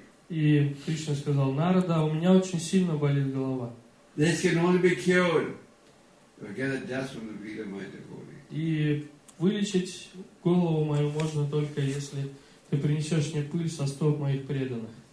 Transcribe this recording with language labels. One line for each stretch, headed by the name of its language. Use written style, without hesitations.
Russian: И Кришна сказал: Нарада, у меня очень сильно болит голова.
English: This can only be cured if I get a dust from the feet of my devotee.
Russian: И вылечить голову мою можно только если ты принесешь мне пыль со стоп моих преданных.